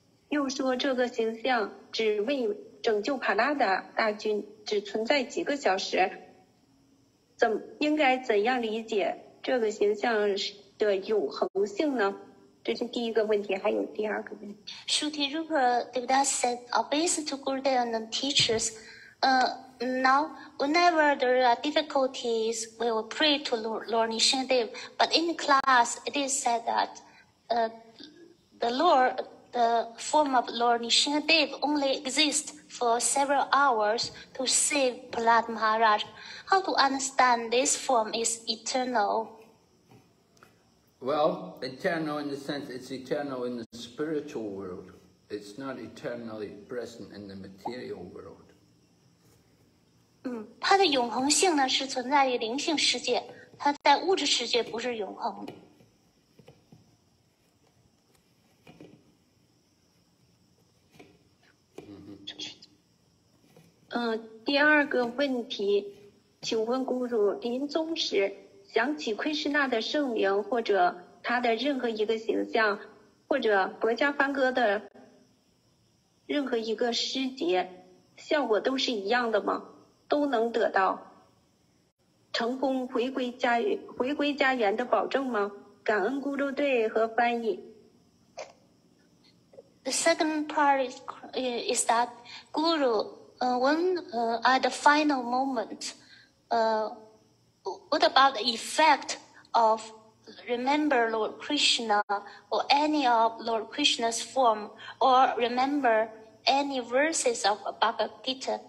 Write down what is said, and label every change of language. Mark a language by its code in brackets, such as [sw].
[zh] 又说这个形象只为拯救帕拉达大军只存在几个小时，应该怎样理解这个形象的永恒性呢？这是第一个问题，还有第二个问题。 [en] Shruti Rupa Devadasa said, obeisance to Gurudev and teachers. Now, whenever there are difficulties, we will pray to Lord Nishindev. But in class, it is said that the form of Lord Nishinadev only exists for several hours to save Prahlad Maharaj. How to understand this form is eternal? Well, eternal in the sense it's eternal in the spiritual world. It's not eternally present in the material world. [zh] 它的永恒性呢是存在于灵性世界，它在物质世界不是永恒。第二个问题，请问咕噜，临终时想起奎师那的圣名，或者他的任何一个形象，或者薄伽梵歌的任何一个诗节，效果都是一样的吗？都能得到成功回归家园的保证吗？感恩咕噜队和翻译。 [en] The second part is that Guru, when at the final moment, What about the effect of remember Lord Krishna or any of Lord Krishna's form or remember any verses of Bhagavad Gita?